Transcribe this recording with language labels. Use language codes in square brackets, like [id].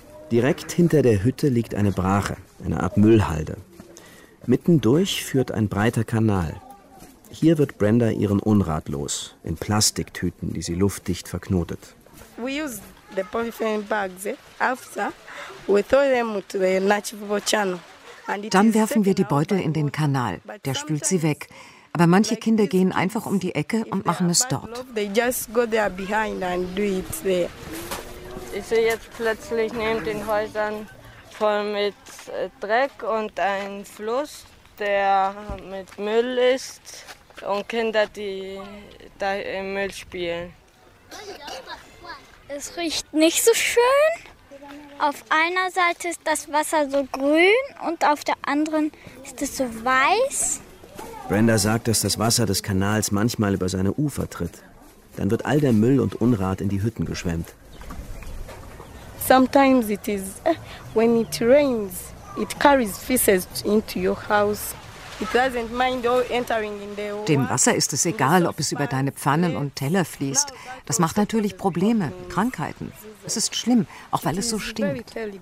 [de] Direkt hinter der Hütte liegt eine Brache, eine Art Müllhalde. Mittendurch führt ein breiter Kanal. Hier wird Brenda ihren Unrat los, in Plastiktüten, die sie luftdicht verknotet. Wir benutzen die Polyfilm-Bags. [en] After, we throw them to the natural channel. [de] Dann werfen wir die Beutel in den Kanal. Der spült sie weg. Aber manche Kinder gehen einfach um die Ecke und machen es dort. Ich sehe jetzt plötzlich neben den Häusern voll mit Dreck und einen Fluss, der mit Müll ist und Kinder, die da im Müll spielen. Es riecht nicht so schön. Auf einer Seite ist das Wasser so grün und auf der anderen ist es so weiß. Brenda sagt, dass das Wasser des Kanals manchmal über seine Ufer tritt. Dann wird all der Müll und Unrat in die Hütten geschwemmt. [en] Sometimes it is when it rains, it carries feces into your house. It doesn't mind entering in the water. [de] Dem Wasser ist es egal, ob es über deine Pfannen und Teller fließt. Das macht natürlich Probleme, Krankheiten. Es ist schlimm, auch weil es so stinkt.